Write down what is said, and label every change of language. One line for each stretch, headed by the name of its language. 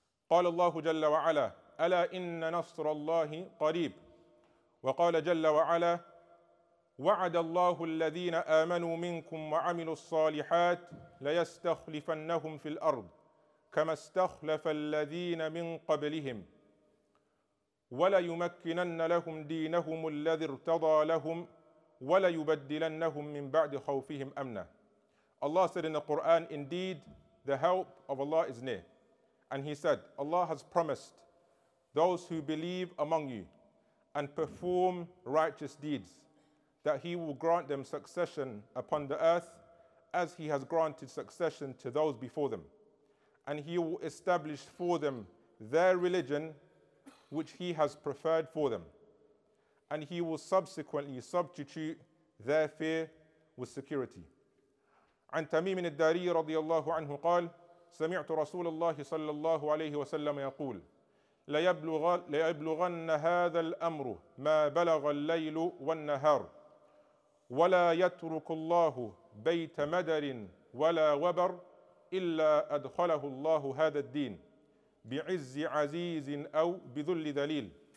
Arabic: قال الله جل وعلا ألا إن نصر الله قريب وقال جل وعلا وعد الله الذين آمنوا منكم وعملوا الصالحات ليستخلفنهم في الأرض كما استخلف الذين من قبلهم وليمكنن لهم دينهم الذي ارتضى لهم وليبدلنهم من بعد خوفهم أمنا.
English: Allah said in the Quran, indeed the help of Allah is near. And he said, Allah has promised those who believe among you and perform righteous deeds that he will grant them succession upon the earth as he has granted succession to those before them. And he will establish for them their religion which he has preferred for them. And he will subsequently substitute their fear with security.
Arabic: عن تميم الداري رضي الله عنه قال سمعت رسول الله صلى الله عليه وسلم يقول ليبلغن هذا الأمر ما بلغ الليل والنهار ولا يترك الله بيت مدر ولا وبر إلا أدخله الله هذا الدين بعز عزيز أو بذل ذليل